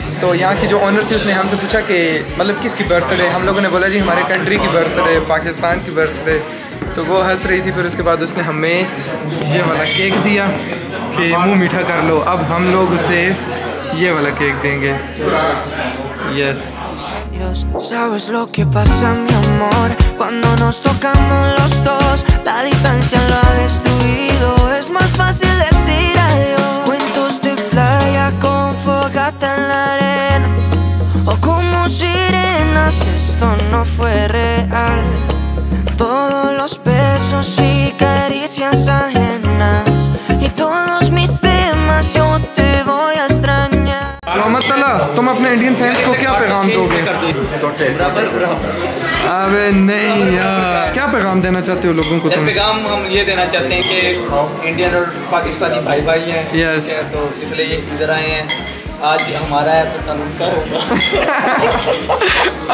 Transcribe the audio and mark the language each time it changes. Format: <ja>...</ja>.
<hi>तो यहाँ की जो ओनर थी उसने हमसे पूछा कि मतलब किसकी बर्थडे, हम लोगों ने बोला जी हमारे कंट्री की बर्थडे, पाकिस्तान की बर्थडे। तो वो हंस रही थी, फिर उसके बाद उसने हमें ये वाला केक दिया कि मुँह मीठा कर लो, अब हम लोग उसे ये वाला केक देंगे।</hi> <en>yes,</en> <es>Sabes lo que pasa, mi amor, cuando nos tocamos los dos, la distancia lo ha destruido. Es más fácil decir adiós. Cuentos de playa con fogata en la arena, o como sirenas. Esto no fue real. Todos los besos y caricias ajenas y todos mis temas yo te voy a extrañar.</es> <hi>Mohammad तला, तुम अपने Indian fans को क्या पैगाम दोगे? अबे नहीं यार, क्या पैगाम देना चाहते हो लोगों को? पैगाम हम ये देना चाहते हैं कि इंडियन और पाकिस्तानी भाई भाई हैं।</hi> <en>yes,</en> <hi>तो इसलिए इधर आए हैं, आज हमारा है तो तनुकर होगा।</hi>